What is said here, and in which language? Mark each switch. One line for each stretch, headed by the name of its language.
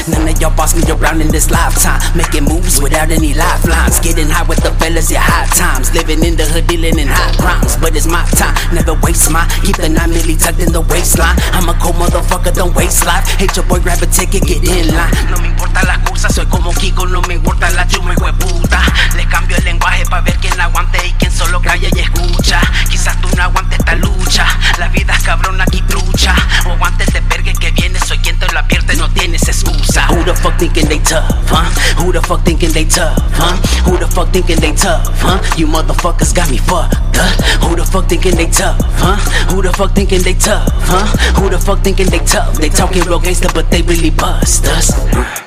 English: None of y'all boss me around in this lifetime. Making moves without any lifelines. Getting high with the fellas, yeah, hot times. Living in the hood, dealing in hot crimes. But it's my time, never waste mine. Keep the 9 milli tucked in the waistline. I'm a cold motherfucker, don't waste life. Hit your boy, grab a ticket, get in.
Spanish: No me importa la cosa, soy como Kiko, no me importa la chuma, hijo de puta. Le cambio el lenguaje pa' ver quién aguante y quién solo calla y escucha. Quizás tú no aguantes esta lucha, la vida es cabrona aquí trucha. O aguantes de vergue que viene, soy quien te lo advierte, no tienes excusa.
English: Who the fuck thinking they tough, huh? Who the fuck thinking they tough, huh? Who the fuck thinking they tough, huh? You motherfuckers got me fucked, Who the fuck thinking they tough, huh? Who the fuck thinking they tough, huh? Who the fuck thinking they tough? They talking real gangster, but they really bust. Yeah.